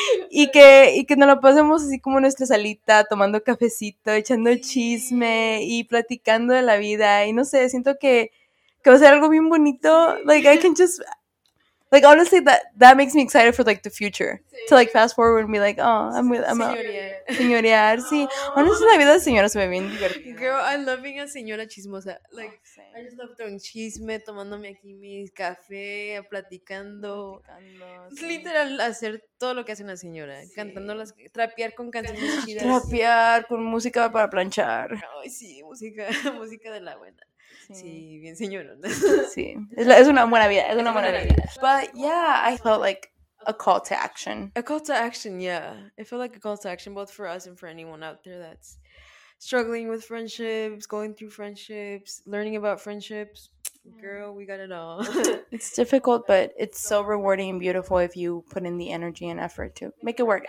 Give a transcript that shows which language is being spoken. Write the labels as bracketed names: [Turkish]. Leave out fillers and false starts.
[Spanish] y que nos lo pasemos así como nuestra salita, tomando cafecito, echando chisme y platicando de la vida. Y no sé, siento que va a ser algo bien bonito. [English] Like, I can just... Like, honestly, that makes me excited for, like, the future. Sí. To, like, fast forward and be like, oh, I'm out. [Spanish] Señorear. Sí. [English] Honestly, [Spanish] la vida de señora se ve bien divertida. [English] Girl, I'm loving a señora chismosa. Like, oh, I just love throwing chisme, [Spanish] tomándome aquí mi café, platicando. [English] Sí. [Spanish] Literal, hacer todo lo que hace una señora. Sí. Cantando las... Trapear con canciones chidas. Trapear con música para planchar. Ay, sí, música. Música de la buena. Sí, bien señor. Sí, es una buena vida, es una buena vida. [English] But yeah, I felt like a call to action, yeah. It felt like a call to action both for us and for anyone out there that's struggling with friendships, going through friendships, learning about friendships. Girl, we got it all. It's difficult, but it's so rewarding and beautiful if you put in the energy and effort to make it work.